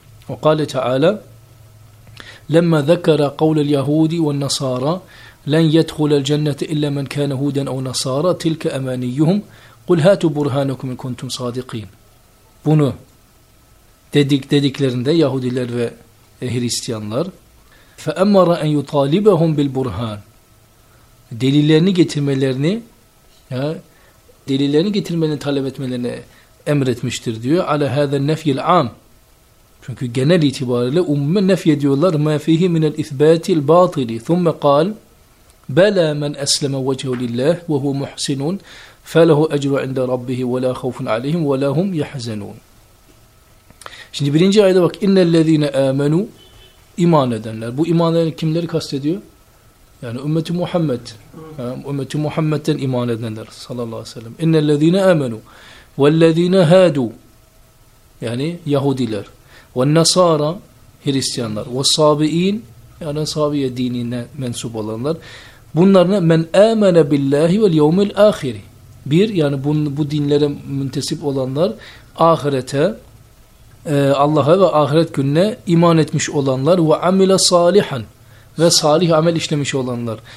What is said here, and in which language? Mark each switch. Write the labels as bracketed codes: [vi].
[ar] Ve kâle Teala lemma zekera kavle'l-yahudi ve'n-nasara لن يدخل الجنة إلا من كان هودا أو نصارى تلك أمانيهم قل هاتوا برهانكم إن كنتم صادقين. [tr] Bunu dediklerinde Yahudiler ve Hristiyanlar [ar] فَأَمَّرَ أَنْ يُطَالِبَهُمْ بِالْبُرْهَانِ [tr] delillerini getirmelerini, ya, delillerini getirmelerini talep etmelerini emretmiştir diyor. [ar] عَلَى هَذَا النَّفْيِ الْعَامِ [tr] çünkü genel itibariyle umme nefy ediyorlar. [ar] مَا فِيهِ مِنَ الْإِثْبَاتِ الْبَاطِلِ ثُمَّ قَالْ بَلَا مَنْ أَسْلَمَ وَجْهُ لِلَّهِ وَهُوَ مُحْسِنٌ فَلَهُ أَجْرُ عِنْدَ رَبِّهِ وَلَا خَوْفٌ عَلَيْهِمْ وَلَا هُمْ يَحْزَنُونَ. [tr] Şimdi birinci ayda bak, [ar] اِنَّ الَّذ۪ينَ آمَنُوا, [tr] iman edenler. Bu iman edenler kimleri kastediyor? Yani ümmeti Muhammed. Ümmeti Muhammed'den iman edenler sallallahu aleyhi ve sellem. [ar] اِنَّ الَّذ۪ينَ آمَنُوا وَالَّذ۪ينَ هَادُوا, [tr] yani Yahudiler. وَالنَّصَارَ, Hristiyanlar. وَالصَّابِئِينَ, yani Sabiye dinine mensup olanlar. Bunların men amene billahi vel yevmil ahir. Bir, yani bu dinlere müntesip olanlar ahirete, Allah'a ve ahiret gününe iman etmiş olanlar ve amile salihan ve salih amel işlemiş olanlar.